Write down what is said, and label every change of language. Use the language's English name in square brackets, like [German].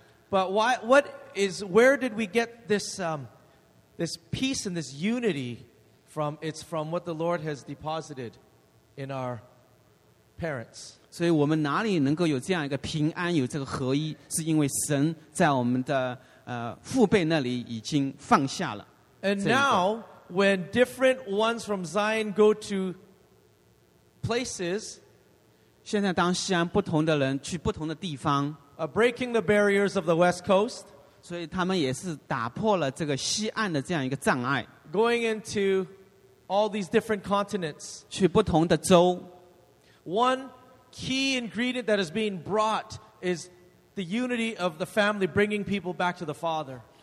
[English] But where did we get this peace and this unity? It's from what the Lord has deposited in our parents. [Chinese] 所以我们哪里能够有这样一个平安，有这个合一，是因为神在我们的父辈那里已经放下了。 [English] And now, when different ones from Zion go to places, [Chinese] 现在当西安不同的人去不同的地方, [English] breaking the barriers of the West Coast, [Chinese] 所以他们也是打破了这个西岸的这样一个障碍, [English] going into all these different continents. [Chinese] 去不同的州, [English] one key ingredient that is being brought is the unity of the family bringing people back to the Father.